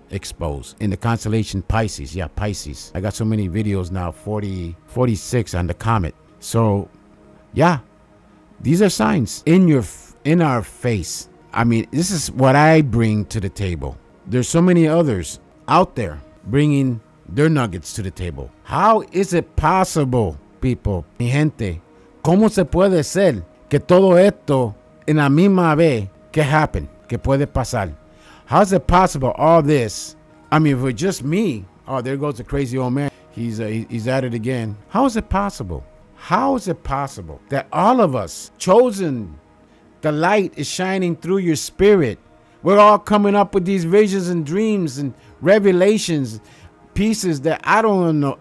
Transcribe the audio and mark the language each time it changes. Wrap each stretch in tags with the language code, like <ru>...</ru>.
<en>exposed in the constellation Pisces. Yeah, Pisces. I got so many videos now, 46 on the comet. So yeah, these are signs in our face. I mean, this is what I bring to the table. There's so many others out there bringing their nuggets to the table. How is it possible, people,</en> <es>mi gente, cómo se puede ser que todo esto en la misma vez que happen, que puede pasar?</es> <en>How is it possible all this? I mean, if it's just me, oh, there goes the crazy old man. He's at it again. How is it possible? How is it possible that all of us chosen, the light is shining through your spirit. We're all coming up with these visions and dreams and revelations, pieces that I don't know.</en>